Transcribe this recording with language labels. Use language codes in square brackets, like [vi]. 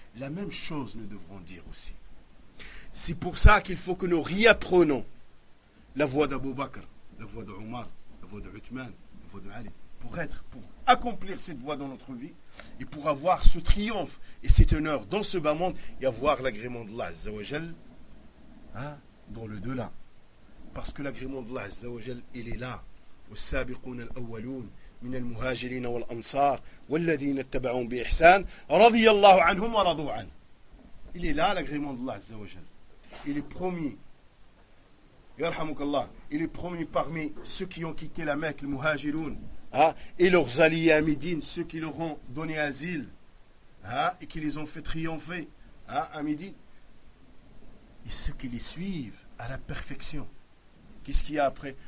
[fr] La même chose nous devrons dire aussi. C'est pour ça qu'il faut que nous réapprenons la voix d'Abu Bakr, la voix d'Omar, la voix d'Uthman, la voix d'Ali, pour accomplir cette voie dans notre vie et pour avoir ce triomphe et cet honneur dans ce bas monde et avoir l'agrément d'Allah Azza wa Jal, hein, dans le delà. Parce que l'agrément d'Allah Azza wa Jal, il est là. [ar] والسابقون الأولون من المهاجرين والأنصار والذين اتبعوهم بإحسان رضي الله عنهم ورضوا عنه. [fr] Il est là l'agrément d'Allah Azza wa Jal. Il est promis. [ar] يرحمك الله. [fr] Il est promis parmi ceux qui ont quitté la Mecque, les Muhajiroun, et leurs alliés à Médine, ceux qui leur ont donné asile, et qui les ont fait triompher, à Médine, et ceux qui les suivent à la perfection. Qu'est-ce qu'il y a après?